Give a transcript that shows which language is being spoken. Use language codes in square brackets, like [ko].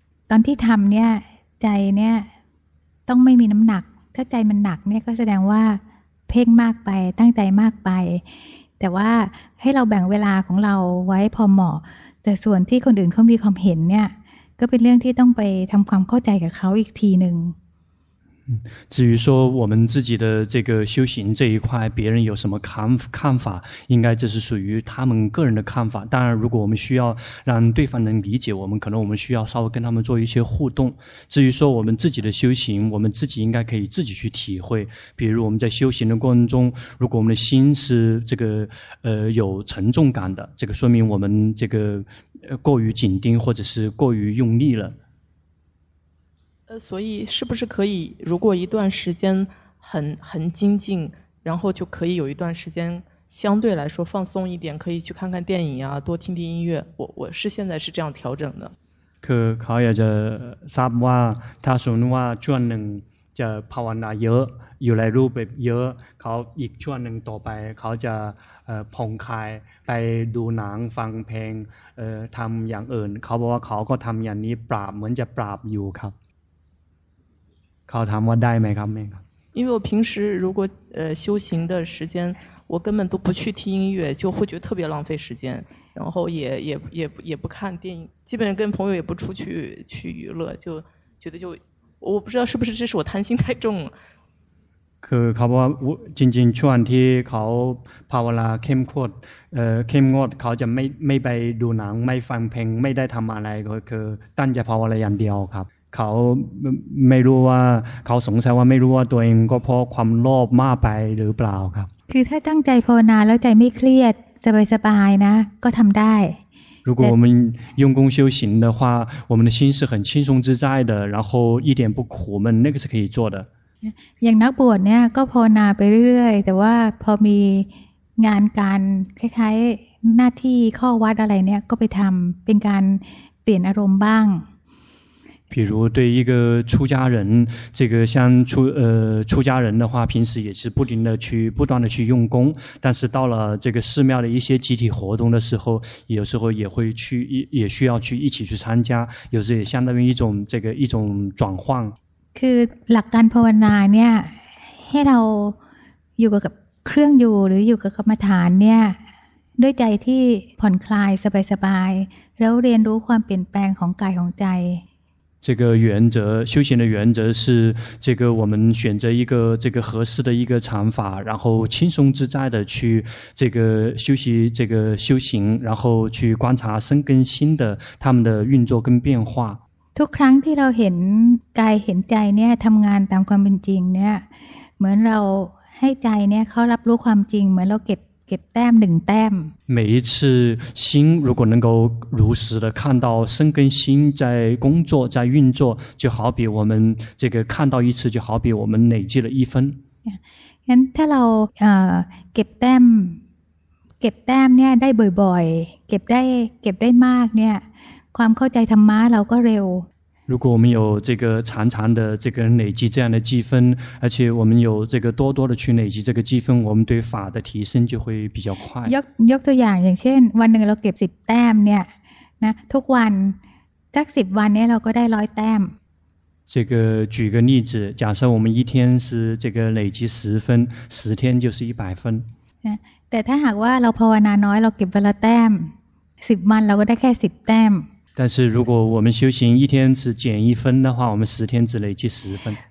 [th] ตอนที่ทำเนี่ยใจเนี่ยต้องไม่มีน้ำหนักถ้าใจมันหนักเนี่ยก็แสดงว่าเพ่งมากไปตั้งใจมากไปแต่ว่าให้เราแบ่งเวลาของเราไว้พอเหมาะแต่ส่วนที่คนอื่นเขามีความเห็นเนี่ยก็เป็นเรื่องที่ต้องไปทำความเข้าใจกับเขาอีกทีหนึ่ง [zh] 至于说我们自己的这个修行这一块别人有什么看法应该这是属于他们个人的看法当然如果我们需要让对方能理解我们可能我们需要稍微跟他们做一些互动至于说我们自己的修行我们自己应该可以自己去体会比如我们在修行的过程中如果我们的心是这个有沉重感的这个说明我们这个过于紧盯或者是过于用力了所以是不是可以如果一段时间很精进然后就可以有一段时间相对来说放松一点可以去看看电影啊多听听音乐我是现在是这样调整的 [th] คือเขาอยากจะทราบว่าถ้าสมมติว่าช่วงหนึ่งจะภาวนาเยอะอยู่ในรูปแบบเยอะเขาอีกช่วงหนึ่งต่อไปเขาจะผ่อนคลายไปดูหนังฟังเพลงทำอย่างอื่นเขาบอกว่าเขาก็ทำอย่างนี้ปราบเหมือนจะปราบอยู่ครับเขาถามว่าได้ไหมครับแม่ครับ [zh] 因为我平时如果修行的时间我根本都不去听音乐就会觉得特别浪费时间然后也不看电影基本上跟朋友也不出去娱乐就觉得就我不知道是不是这是我贪心太重了 [th] คือเขาบอกว่าจริงๆช่วงที่เขาภาวนาเข้มข้นเขาจะไม่ไปดูหนังไม่ฟังเพลงไม่ได้ทำอะไรก็คือตั้งใจภาวนาอย่างเดียวครับเขาไม่รู้ว่าเขาสงสัยว่าไม่รู้ว่าตัวเองก็เพราะความโลภมากไปหรือเปล่าครับ คือถ้าตั้งใจภาวนาแล้วใจไม่เครียดสบายๆนะก็ทำได้ [zh] 如果我们用功修行的话我们的心是很轻松自在的然后一点不苦闷那个是可以做的 [th] อย่างนักบวชเนี่ยก็ภาวนาไปเรื่อยๆแต่ว่าพอมีงานการคล้ายๆหน้าที่ข้อวัดอะไรเนี่ยก็ไปทำเป็นการเปลี่ยนอารมณ์บ้าง [zh] 比如对一个出家人这个像出家人的话平时也是不断的去用功但是到了这个寺庙的一些集体活动的时候有时候也会去也需要去一起去参加有时也相当于一种这个一种转换 [th] คือหลักการภาวนาเนี่ยให้เราอยู่กับเครื่องอยู่หรืออยู่กับกรรมฐานเนี่ยด้วยใจที่ผ่อนคลายสบายสบายแล้วเรียนรู้ความเปลี่ยนแปลงของกายของใจ [zh] 这个原则修行的原则是这个我们选择一个这个合适的一个禅法然后轻松自在的去这个休息这个修行然后去观察身跟心的他们的运作跟变化 [th] ทุกครั้งที่เราเห็นกายเห็นใจเนี่ยทำงานตามความเป็นจริงเนี่ยเหมือนเราให้ใจเนี่ยเขารับรู้ความจริงเหมือนเราเก็บแต้มหนึ่งแต้ม [zh] 每一次心如果能够如实的看到身跟心在工作在运作就好比我们这个看到一次就好比我们累积了一分 [th] งั้นถ้าเราเก็บแต้มเนี่ยได้บ่อยๆเก็บได้มากเนี่ยความเข้าใจธรรมะเราก็เร็ว [zh] 如果我们有这个常常的这个累积这样的积分而且我们有这个多多的去累积这个积分我们对法的提升就会比较快 [th] ยกตัวอย่างอย่างเช่นวันหนึ่งเราเก็บ10แต้มเนี่ยนะทุกวันสัก10วันเนี่ยเราก็ได้100แต้ม [zh] 这个举个例子假设我们一天是这个累积10分10天就是100分 [th] แต่ถ้าหากว่าเราภาวนาน้อยเราเก็บวันละแต้ม10วันเราก็ได้แค่10แต้ม แต่ [zh] 是如果我们修行一天只减一分的话我们十天只累积十分